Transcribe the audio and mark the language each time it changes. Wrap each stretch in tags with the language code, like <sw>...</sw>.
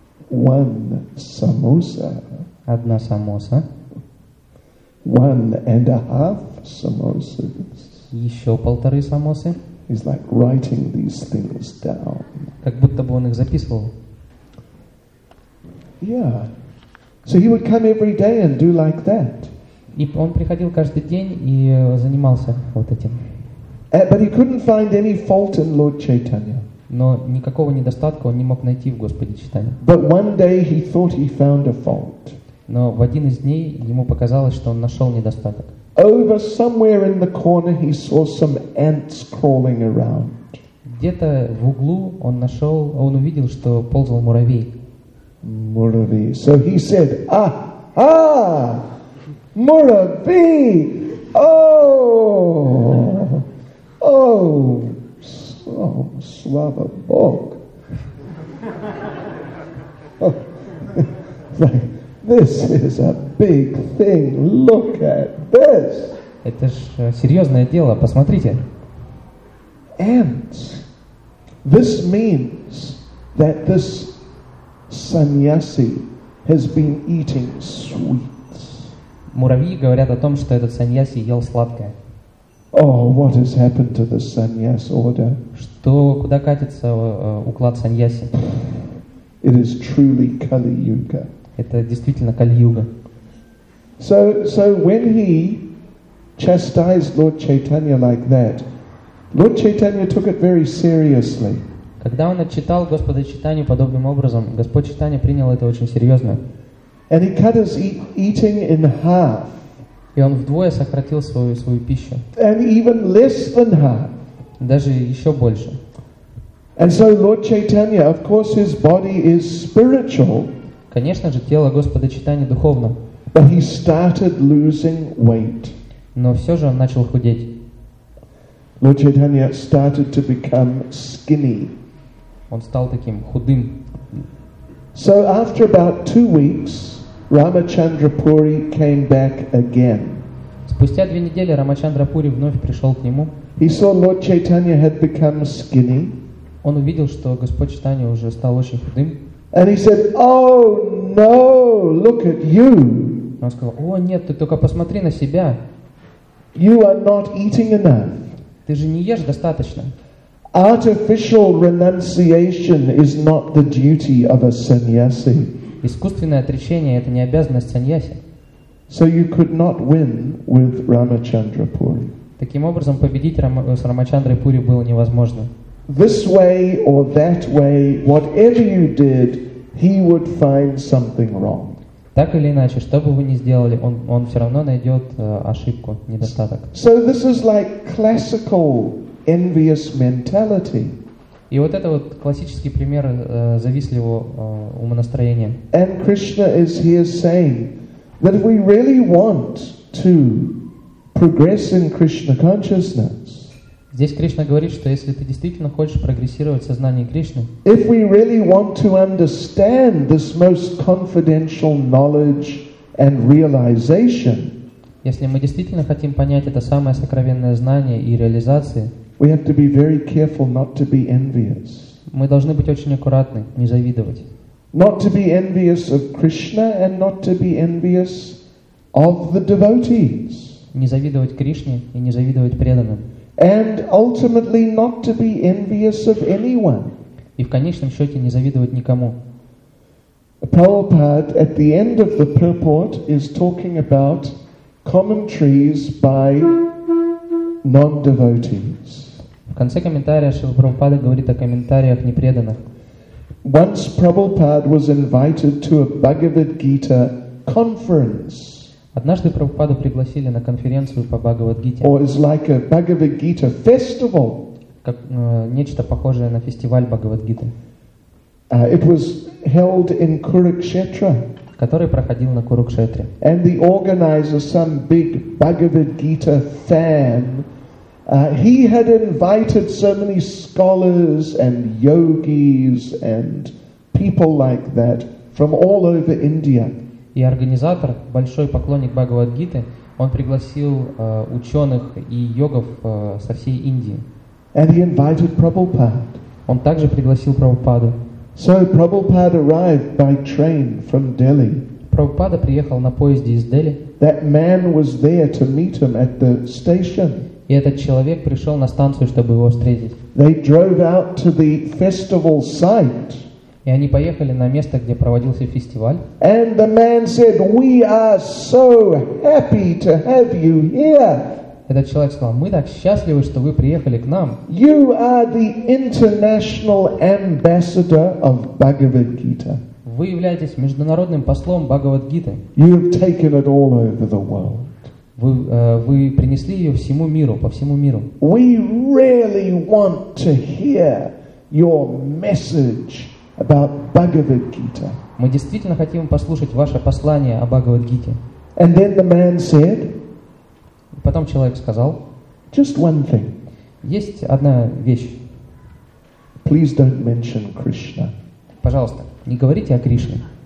<en>One samosa.</en> <ru>Одна самоса.</ru> <en>One and a half samosas.</en> <ru>Еще полторы самосы.</ru> <en>He's like writing these things down.</en> <ru>Как будто бы он их записывал.</ru> <en>Yeah. So he would come every day and do like that.</en> <ru>И он приходил каждый день и занимался вот этим.</ru> <en>But he couldn't find any fault in Lord Chaitanya.</en> <ru>Но никакого недостатка он не мог найти в Господе Чайтанье.</ru> <en>But one day he thought he found a fault.</en> <ru>Но в один из дней ему показалось, что он нашел недостаток.</ru> <en>Over somewhere in the corner he saw some ants crawling around.</en> <ru>Где-то в углу он увидел, что ползал муравей. Муравей.</ru> <en>So he said, ah, ah,</en> <ru>муравей,</ru> <en>oh, oh, oh,</en> <ru>слава Бог.</ru> <en>This is a big thing. Look at this.</en> <ru>Это ж серьезное дело. Посмотрите.</ru> <en>Ants. This means that this sannyasi has been eating sweets.</en> <ru>Муравьи говорят о том, что этот саньяси ел сладкое.</ru> <en>Oh, what has happened to the sannyas order?</en> <ru>Что, куда катится уклад саньяси?</ru> <en>It is truly Kali Yuga.</en> <ru>Это действительно Кали-юга.</ru> <en>So when he chastised Lord Chaitanya like that, Lord Chaitanya took it very seriously.</en> <ru>Когда он отчитал Господа Чайтанью подобным образом, Господь Чайтанья принял это очень серьезно.</ru> <en>And he cut his eating in half.</en> <ru>И он вдвое сократил свою пищу.</ru> <en>And even less than half.</en> <ru>Даже еще больше.</ru> <en>And so Lord Chaitanya, of course, his body is spiritual.</en> <ru>Конечно же, тело Господа Чайтаньи духовно.</ru> <en>But he started losing weight.</en> <ru>Но все же он начал худеть.</ru> <en>Lord Chaitanya started to become skinny.</en> <ru>Он стал таким худым.</ru> <en>So after about 2 weeks, Рамачандрапури came back again.</en> <ru>Спустя 2 недели Рамачандрапури вновь пришел к нему.</ru> <en>He saw Lord Chaitanya had become skinny.</en> <ru>Он увидел, что Господь Чайтанья уже стал очень худым.</ru> <en>And he said, "Oh no, look at you."</en> <ru>Он сказал: "О нет, ты только посмотри на себя.</ru> <en>You are not eating enough.</en> <ru>Ты же не ешь достаточно.</ru> <en>Artificial renunciation is not the duty of a sannyasi.</en> <ru>Искусственное отречение это не обязанность саньяси.</ru> <en>So you could not win with Рамачандрапури.</en> <ru>Таким образом, победить с Рамачандрапури было невозможно.</ru> <en>This way or that way, whatever you did, he would find something wrong.</en> <ru>Так или иначе, что бы вы ни сделали, он все равно найдет ошибку, недостаток.</ru> <en>So this is like classical envious mentality.</en> <ru>И вот это вот классический пример завистливого умонастроения.</ru> <en>And Krishna is here saying that if we really want to progress in Krishna consciousness,</en> <ru>здесь Кришна говорит, что если ты действительно хочешь прогрессировать в сознании Кришны,</ru> <en>if we really want to understand this most confidential knowledge and realization,</en> <ru>если мы действительно хотим понять это самое сокровенное знание и реализации,</ru> <en>we have to be very careful not to be envious.</en> <ru>Мы должны быть очень аккуратны, не завидовать.</ru> <en>Not to be envious of Krishna and not to be envious of the devotees.</en> <ru>Не завидовать Кришне и не завидовать преданным.</ru> <en>And ultimately not to be envious of anyone.</en> <ru>И в конечном счете не завидовать никому.</ru> <en>Prabhupada at the end of the purport is talking about commentaries by non-devotees.</en> <ru>В конце комментария Шрила Прабхупада говорит о комментариях непреданных.</ru> <en>Once Prabhupada was invited to a Bhagavad Gita conference.</en> <ru>Однажды Прабхупаду пригласили на конференцию по Бхагавад Гите.</ru> <en>Or is like a Bhagavad Gita festival.</en> <ru>Как нечто похожее на фестиваль Бхагавад Гиты.</ru> <en>It was held in Kurukshetra.</en> <ru>Который проходил на Курукшетре.</ru> <en>And the organizer, some big Bhagavad Gita fan, he had invited so many scholars and yogis and people like that from all over India.</en> <ru>И организатор, большой поклонник Бхагавад-гиты, он пригласил ученых и йогов со всей Индии.</ru> <en>And he invited Prabhupada.</en> <ru>Он также пригласил Прабхупаду.</ru> <en>So Prabhupada arrived by train from Delhi.</en> <ru>Прабхупада приехал на поезде из Дели.</ru> <en>That man was there to meet him at the station.</en> <ru>И этот человек пришел на станцию, чтобы его встретить.</ru> <en>They drove out to the festival site.</en> <ru>И они поехали на место, где проводился фестиваль.</ru> <en>And the man said, "We are so happy to have you here."</en> <ru>Этот человек сказал: "Мы так счастливы, что вы приехали к нам."</ru> <en>You are the international ambassador of Bhagavad Gita.</en> <ru>Вы являетесь международным послом Бхагавад Гиты.</ru> <en>You have taken it all over the world.</en> <ru>Вы принесли ее всему миру, по всему миру.</ru> <en>We really want to hear your message about Bhagavad Gita.</en> <ru>Мы действительно хотим послушать ваше послание о Бхагавад Гите.</ru> <en>And then the man said.</en> <ru>Потом человек сказал.</ru> <en>Just one thing.</en> <ru>Есть одна вещь.</ru> <en>Please don't mention Krishna.</en> <ru>Пожалуйста, не говорите о Кришне.</ru>